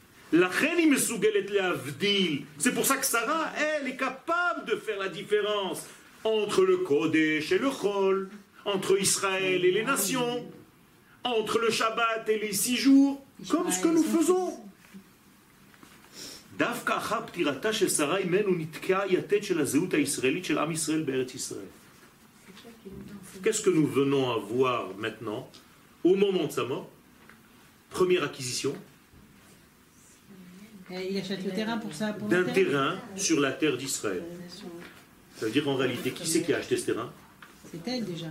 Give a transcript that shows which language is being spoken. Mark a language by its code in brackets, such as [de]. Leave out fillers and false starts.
[fr] C'est pour ça que Sarah, elle, est capable de faire la différence entre le Kodesh et le Chol, entre Israël et les nations, entre le Shabbat et les six jours, comme ce que nous faisons. [he] דווקא אחר פטירתה של שרה אימנו נתקעה יתד של הזהות הישראלית של עם ישראל בארץ ישראל. [fr] Qu'est-ce que nous venons à voir maintenant, au moment de sa mort? Première acquisition. Il achète le terrain pour ça. Pour d'un terrain sur la terre d'Israël. Ça veut dire en réalité, qui c'est qui a acheté ce terrain? C'est elle déjà.